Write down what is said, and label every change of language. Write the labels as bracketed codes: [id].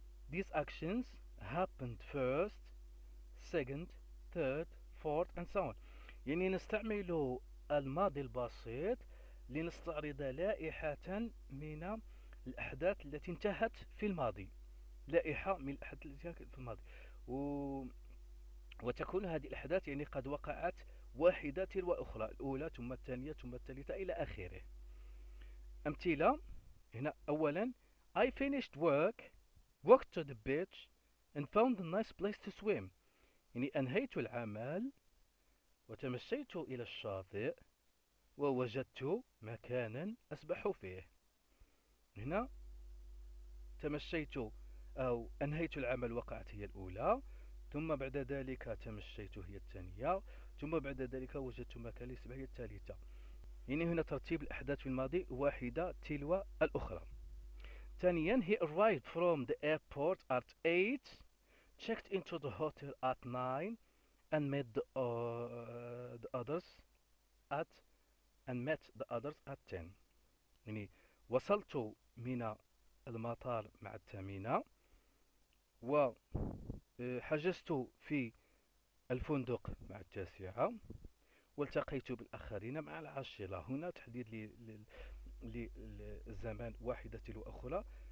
[en] These actions happened first, second, third, fourth, and so on. [ar] يعني نستعمل الماضي البسيط لنستعرض لائحة من الأحداث التي انتهت في الماضي. لائحة من الأحداث التي انتهت في الماضي. وتكون هذه الأحداث يعني قد وقعت واحدة تلو الأخرى، الأولى ثم الثانية ثم الثالثة إلى آخره. أمثلة هنا، أولا [en] I finished work, walked to the beach and found a nice place to swim، [ar] يعني أنهيت العمل وتمشيت إلى الشاطئ ووجدت مكانا أسبح فيه. هنا تمشيت أو أنهيت العمل وقعت هي الأولى، ثم بعد ذلك تمشيت هي الثانية، ثم بعد ذلك وجدت مكانا أسبح هي الثالثة. يعني هنا ترتيب الأحداث في الماضي واحدة تلو الأخرى. ثانيا، [en] he arrived from the airport at 8, checked into the hotel at 9, and met the others at 10. [ar] يعني وصلت من المطار مع الثامنة، وحجزت في الفندق مع التاسعة، والتقيت بالآخرين مع العاشرة. هنا تحديد للزمان واحدة تلو أخرى،